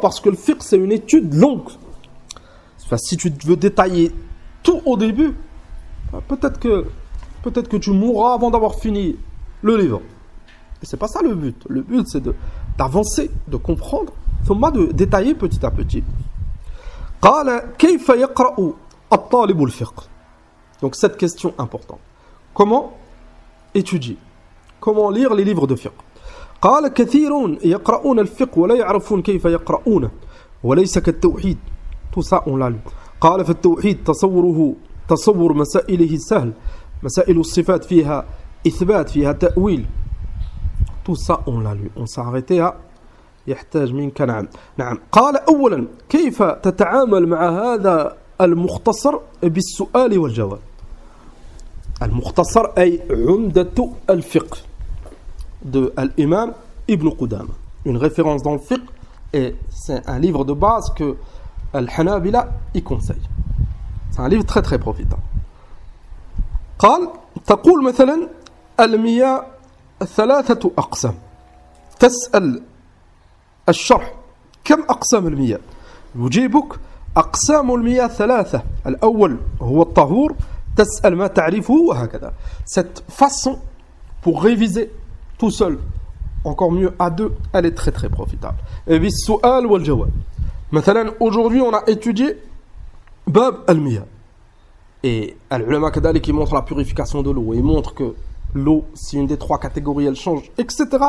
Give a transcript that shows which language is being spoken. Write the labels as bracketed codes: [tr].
[fr] Parce que le fiqh, c'est une étude longue. Enfin, si tu veux détailler tout au début, Peut-être que tu mourras avant d'avoir fini le livre. Mais c'est pas ça le but. Le but, c'est d'avancer, de comprendre, ثم de détailler petit à petit. [ar] قال كيف يقرأ الطالب الفقه. [fr] Donc cette question importante. Comment étudier? Comment lire les livres de fiqh? [ar] قال كثيرون يقرؤون الفقه ولا يعرفون كيف يقرؤون وليس كالتوحيد. [fr] Tout ça on l'a lu. [ar] قال في التوحيد تصوره تصور مسائله سهل. مسائل الصفات فيها إثبات فيها تأويل. [fr] Tout ça on l'a lu. On s'est arrêté à [ar] يحتاج منك نعم. نعم. قال أولا كيف تتعامل مع هذا المختصر بالسؤال والجواب. المختصر أي عمدة الفقه [fr] de l'imam [ar] Ibn Qudama. [fr] Une référence dans le fiqh, et c'est un livre de base que Al-Hanabila y conseille. C'est un livre très très profitant. [ar] قال تقول مثلا المياه ثلاثة أقسام تسأل الشرح كم أقسام المياه يجيبك أقسام المياه ثلاثة الأول هو الطهور تسأل ما تعرفه وهكذا. [fr] Cette façon pour réviser tout seul, encore mieux à deux, elle est très très profitable. Et puis, su'al wal jawab. Maintenant, aujourd'hui, on a étudié bab al-miya. Et al-ulama kadali qui montre la purification de l'eau, et montre que l'eau, si une des trois catégories, elle change, etc.